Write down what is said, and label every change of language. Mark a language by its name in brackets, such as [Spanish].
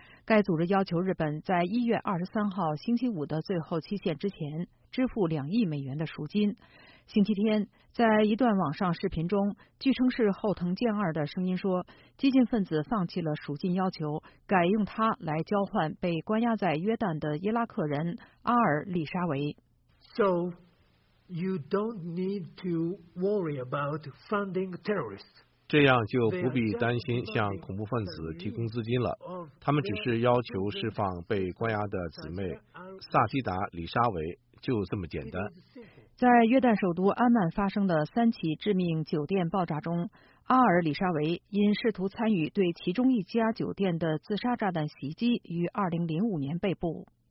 [Chinese] 该组织要求日本在1月23号星期五的最后期限之前支付2亿美元的赎金。星期天，在一段网上视频中，据称是后藤健二的声音说，激进分子放弃了赎金要求，改用他来交换被关押在约旦的伊拉克人阿尔里沙维。 [English] So you don't need to worry about funding terrorists. [Chinese] 这样就不必担心向恐怖分子提供资金了，他们只是要求释放被关押的姊妹萨基达·里沙维，就这么简单。在约旦首都安曼发生的3起致命酒店爆炸中，阿尔·里沙维因试图参与对其中一家酒店的自杀炸弹袭击于2005年被捕。